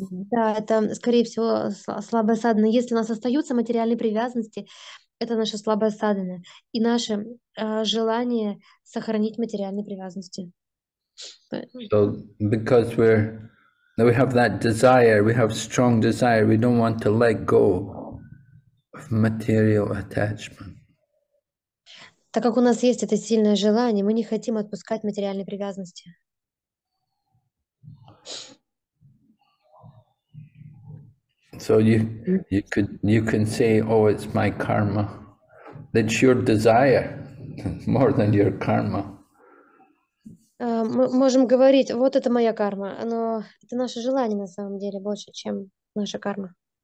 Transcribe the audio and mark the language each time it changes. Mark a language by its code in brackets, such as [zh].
[ru] Да, это, скорее всего, слабая садхана. Если у нас остаются материальные привязанности, это наша слабая садхана. И наше желание сохранить материальные привязанности. [en] So, because we have that desire, we have strong desire, we don't want to let go of material attachment. [ru] Так как у нас есть это сильное желание, мы не хотим отпускать материальные привязанности. [en] So you can say, oh, it's my karma. That's your desire more than your karma. [ru] Мы можем говорить, вот это моя карма, но это наше желание на самом деле больше, чем наша карма.